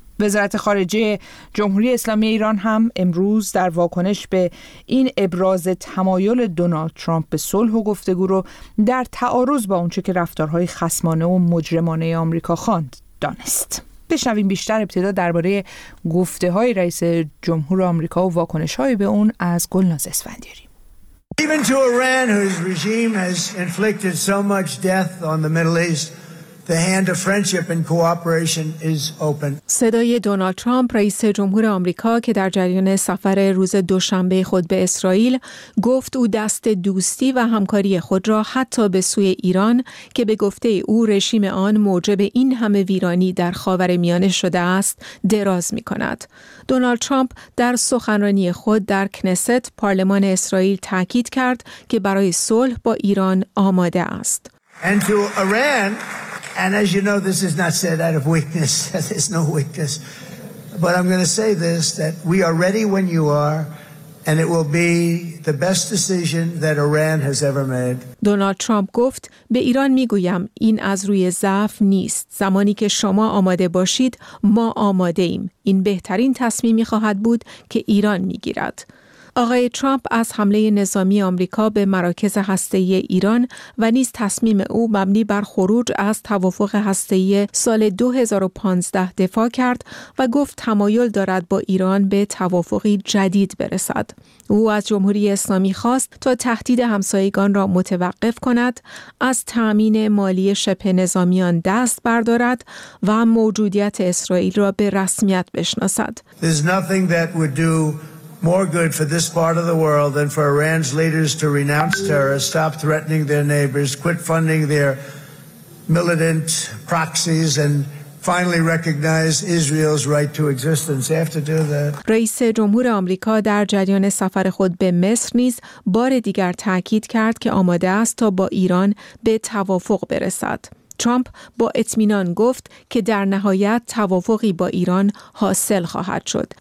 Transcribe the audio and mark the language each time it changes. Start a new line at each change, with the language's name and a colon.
Persian: وزارت خارجه جمهوری اسلامی ایران هم امروز در واکنش به این ابراز تمایل دونالد ترامپ به صلح و گفتگو رو در تعارض با اونچه که رفتارهای خصمانه و مجرمانه آمریکا خواند دانست. بشنویم بیشتر ابتدا درباره گفته های رئیس جمهور آمریکا و واکنش های به اون از گلناز اسفندیاری.
English: Even to Iran, whose regime has inflicted so much death on the Middle East, the hand of friendship and cooperation is open.
Persian: صدای دونالد ترامپ، رئیس جمهور آمریکا، که در جریان سفر روز دوشنبه خود به اسرائیل گفت او دست دوستی و همکاری خود را حتی به سوی ایران که به گفته او رژیم آن موجب این همه ویرانی در خاورمیانه شده است، دراز می‌کند. دونالد ترامپ در سخنرانی خود در کنست، پارلمان اسرائیل، تاکید کرد که برای صلح با ایران آماده است.
English: And to Iran, and as you know, this is not said out of weakness. There's no weakness. But I'm going to say this, that we are ready when you are, and it will be the best decision that Iran has ever made.
Persian: دونالد ترامپ گفت به ایران میگویم این از روی ضعف نیست. زمانی که شما آماده باشید، ما آماده ایم. این بهترین تصمیمی خواهد بود که ایران میگیرد. آقای ترامپ از حمله نظامی آمریکا به مراکز هسته‌ای ایران و نیز تصمیم او مبنی بر خروج از توافق هسته‌ای سال 2015 دفاع کرد و گفت تمایل دارد با ایران به توافقی جدید برسد. او از جمهوری اسلامی خواست تا تهدید همسایگان را متوقف کند، از تأمین مالی شبه نظامیان دست بردارد و موجودیت اسرائیل را به رسمیت بشناسد.
English: More good for this part of the world than for Iran's leaders to renounce terror, stop threatening their neighbors, quit funding their militant proxies, and finally recognize Israel's right to existence. They have to do that.
Persian: رئیس جمهور آمریکا در جریان سفر خود به مصر نیز بار دیگر تاکید کرد که آماده است تا با ایران به توافق برسد. ترامپ با اطمینان گفت که در نهایت توافقی با ایران حاصل خواهد شد.